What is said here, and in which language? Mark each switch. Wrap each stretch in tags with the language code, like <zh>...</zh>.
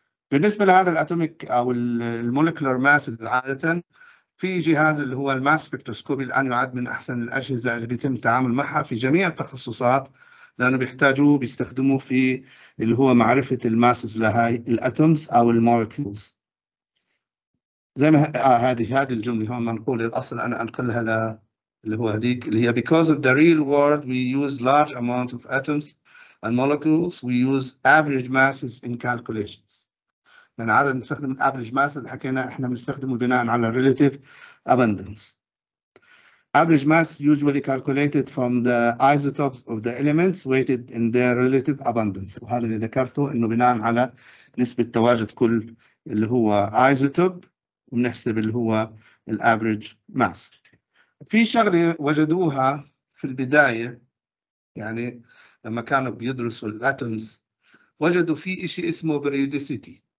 <ar>بالنسبه لهذا الاتوميك او المولكيولار ماس، عاده في جهاز اللي هو الماس سبكتروسكوبي، الان يعد من احسن الاجهزه اللي بيتم التعامل معها في جميع التخصصات، لانه بيحتاجوه بيستخدموه في اللي هو معرفه الماسز لهاي الاتومز او المولكيولز. زي ما هذه الجمله هون منقوله، الاصل انا انقلها ل اللي هو هذيك اللي هي</ar> <en>because of the real world we use large amount of atoms and molecules we use average masses in calculations.</en> <ar>يعني عادة نستخدم average masses، حكينا احنا بنستخدمه بناء على relative abundance.</ar> <en>Average mass usually calculated from the isotopes of the elements weighted in their relative abundance.</en> <ar>وهذا اللي ذكرته، انه بناء على نسبة تواجد كل اللي هو isotope، ونحسب اللي هو الافريج ماس. في شغلة وجدوها في البداية، يعني لما كانوا بيدرسوا الاتومز، وجدوا في شيء اسمه periodicity.</ar>